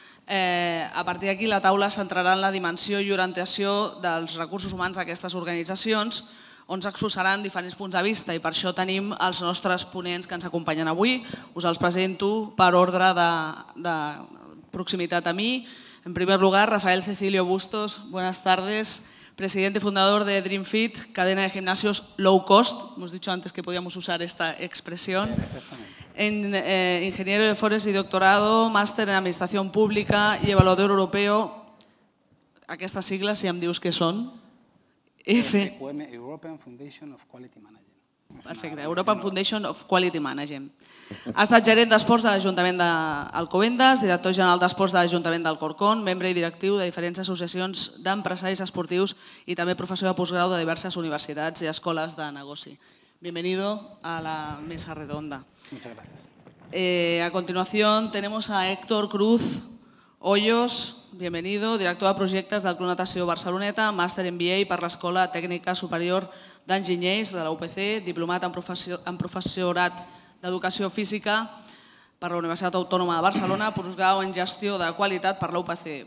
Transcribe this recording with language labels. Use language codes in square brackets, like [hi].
[ca] A partir d'aquí, la taula centrarà en la dimensió i orientació dels recursos humans d'aquestes organitzacions, on s'exposaran diferents punts de vista i per això tenim els nostres ponents que ens acompanyen avui. Us els presento per ordre de proximitat a mi. En primer lloc, Rafael Cecilio Bustos, [es] buenas tardes. Presidente fundador de DreamFit, cadena de gimnasios low cost. Hemos dicho antes que podíamos usar esta expresión. Ingeniero de Forest y doctorado, máster en administración pública y evaluador europeo. [ca] Aquestas siglas, si em dius què són. [en] EFQM, European Foundation of Quality Management. Perfecte, European Foundation of Quality Management. [ca] Ha estat gerent d'esports de l'Ajuntament d'Alcobendas, director general d'esports de l'Ajuntament d'Alcorcón, membre i directiu de diferents associacions d'empresaris esportius i també professor de postgrau de diverses universitats i escoles de negoci. [es] Bienvenido a la mesa redonda. Muchas gracias. [ca] A continuación tenemos a Héctor Cruz Hoyos, bienvenido, director de projectes del Club Natació Barceloneta, màster MBA per l'Escola Tècnica Superior d'Enginyers de la UPC, diplomat en professorat d'Educació Física per la Universitat Autònoma de Barcelona, postgrau en gestió de qualitat per l'UPC.